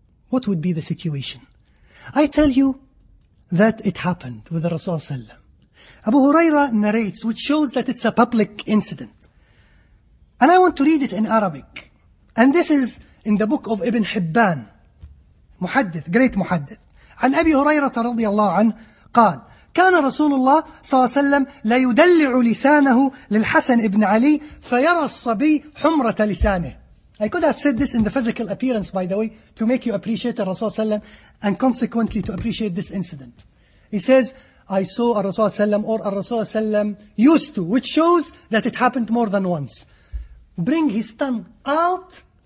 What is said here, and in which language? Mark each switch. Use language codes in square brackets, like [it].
[en] What would be the situation? I tell you that it happened with Rasulullah. Abu Huraira narrates, which shows that it's a public incident. And I want to read it in Arabic. And this is in the book of Ibn Hibban, Muhaddith, great Muhaddith. [ar] عن أبي هريرة رضي الله عنه قال كان رسول الله صلى الله عليه وسلم لا يدلع لسانه للحسن ابن علي فيرى الصبي حمرة لسانه. [en] I could have said this in the physical appearance, by the way, to make you appreciate the Rasul sallam and consequently to appreciate this incident. He says, I saw a Rasul sallam, or a Rasul sallam used to, which shows that it happened more than once, bring his tongue out.